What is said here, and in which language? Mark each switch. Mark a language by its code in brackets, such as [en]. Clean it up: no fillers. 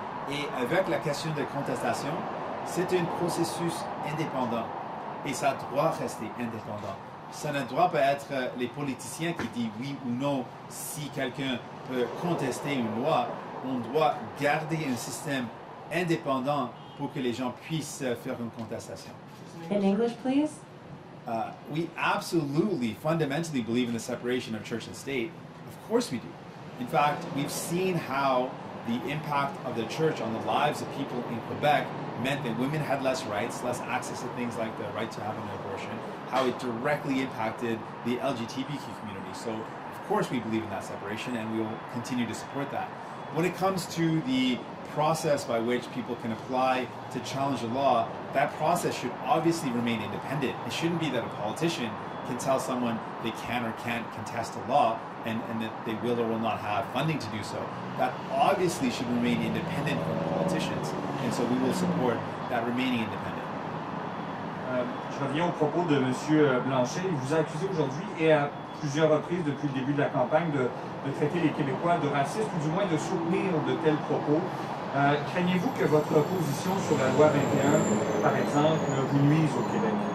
[fr] Et avec la question de contestation, c'est un processus indépendant et ça doit rester indépendant. Ça ne doit pas être les politiciens qui disent oui ou non si quelqu'un peut contester une loi. On doit garder un système indépendant pour que les gens puissent faire une contestation. [en] In English, please. We absolutely, fundamentally believe in the separation of church and state. Of course we do. In fact, we've seen how the impact of the church on the lives of people in Quebec meant that women had less rights, less access to things like the right to have an abortion, how it directly impacted the LGBTQ community. So, of course we believe in that separation and we will continue to support that. When it comes to the process by which people can apply to challenge a law, that process should obviously remain independent. It shouldn't be that a politician can tell someone they can or can't contest a law and that they will or will not have funding to do so. That obviously should remain independent from politicians, and so we will support that remaining independent. [fr] Je reviens au propos de Monsieur Blanchet. Il vous a accusé aujourd'hui et à plusieurs reprises depuis le début de la campagne de traiter les Québécois de racistes ou du moins de soutenir de tels propos. Craignez-vous que votre position sur la loi 21, par exemple, vous nuise au Québec?